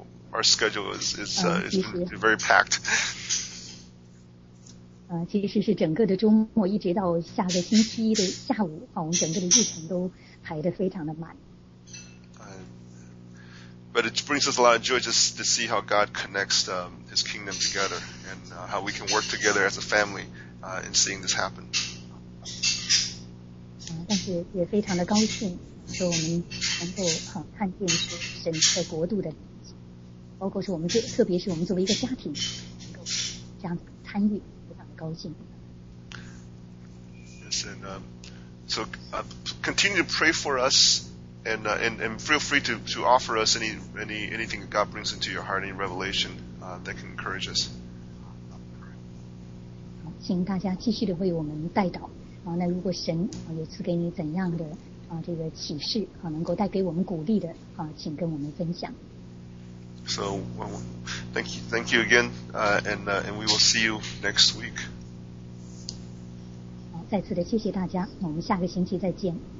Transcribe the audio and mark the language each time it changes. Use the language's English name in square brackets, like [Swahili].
[English] Our schedule is very packed. [Chinese] 其实是整个的周末一直到下个星期一的下午，我们整个的日程都排得非常的满。 [English] But it brings us a lot of joy just to see how God connects His kingdom together and how we can work together as a family in seeing this happen. [Chinese] 但是也非常的高兴，说我们能够看见神在国度的。包括是我们这，特别是我们作为一个家庭，能够这样子参与，非常的高兴。 [English] Yes, and continue to pray for us, and feel free to offer us anything God brings into your heart, any revelation that can encourage us. [Chinese] 好，请大家继续的为我们代祷。那如果神有赐给你怎样的这个启示能够带给我们鼓励的请跟我们分享。 [English] So, thank you again, and we will see you next week. [Chinese] 好，再次的谢谢大家，我们下个星期再见。